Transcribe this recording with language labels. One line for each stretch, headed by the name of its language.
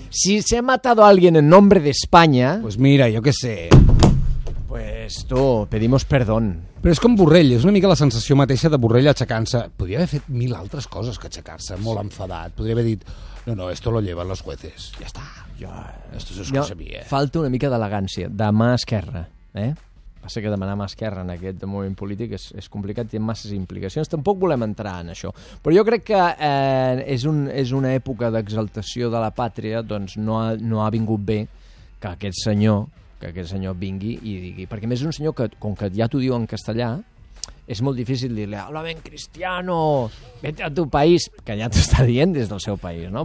Spanish: Si se ha matado a alguien en nombre de España, pues mira, yo qué sé. Pues tú, pedimos perdón.
Catalan: Però és com Borrell, és una mica la sensació mateixa de Borrell aixecant-se. Podria haver fet mil altres coses que aixecar-se, molt enfadat. Podria haver dit:
Spanish: "No, no, esto lo llevan los jueces.
Catalan: Ja està.
Spanish: Esto es cosa mía.
Catalan: Falta una mica d'elegància, de mà esquerra, eh? Passa que demanar mà esquerra en aquest moviment polític és complicat, té masses implicacions. Tampoc volem entrar en això. Però jo crec que és una època d'exaltació de la pàtria, doncs no ha vingut bé que aquest senyor vingui i digui, perquè més és un senyor que, com que ja t'ho diu en castellà, és molt difícil dir-li:
Spanish: "Hola, ben cristiano, vete a tu país",
Catalan: que ja t'ho està dient des del seu país, no?